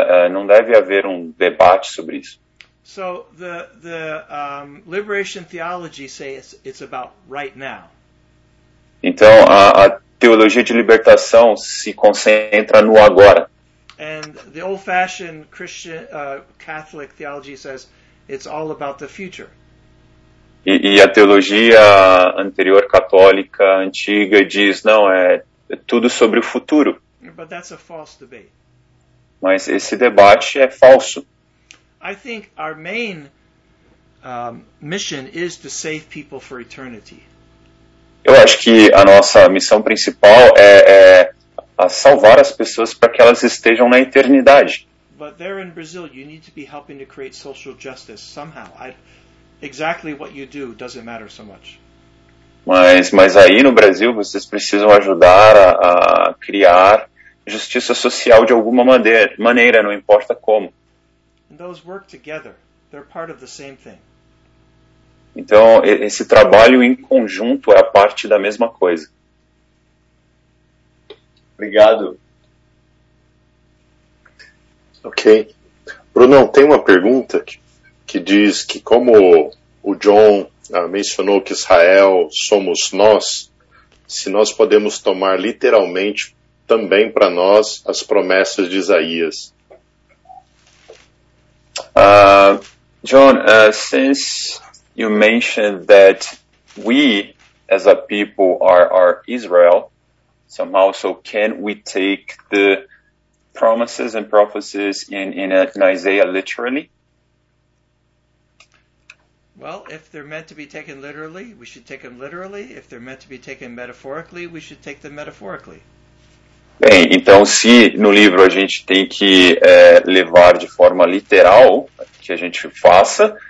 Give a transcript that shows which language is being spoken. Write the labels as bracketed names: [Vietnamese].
[Portuguese] Não deve haver um debate sobre isso. [English] So the liberation theology say it's about right now. [Portuguese] Então, a teologia de libertação se concentra no agora. [English] And the old-fashioned Christian Catholic theology says it's all about the future. [Portuguese] E a teologia anterior católica antiga diz, não, é tudo sobre o futuro. [English] But that's a false debate. [Portuguese] Mas esse debate é falso. [English] I think our main mission is to save people for eternity. [Portuguese] Eu acho que a nossa missão principal é a salvar as pessoas para que elas estejam na eternidade. [English] But there in Brazil, you need to be helping to create social justice somehow. Exactly what you do doesn't matter so much. [Portuguese] Mas aí no Brasil, vocês precisam ajudar a criar justiça social de alguma maneira, não importa como. [English] and those work together. They're part of the same thing. [Portuguese] Então, esse trabalho em conjunto é a parte da mesma coisa. Obrigado. Ok. Bruno, tem uma pergunta que diz que como o John mencionou que Israel somos nós, se nós podemos tomar literalmente também para nós as promessas de Isaías. [English] John, since you mentioned that we as a people are Israel, somehow, so can we take the promises and prophecies in Isaiah literally? Well, if they're meant to be taken literally, we should take them literally. If they're meant to be taken metaphorically, we should take them metaphorically. [Portuguese] Bem, então se no livro a gente tem que levar de forma literal, que a gente faça.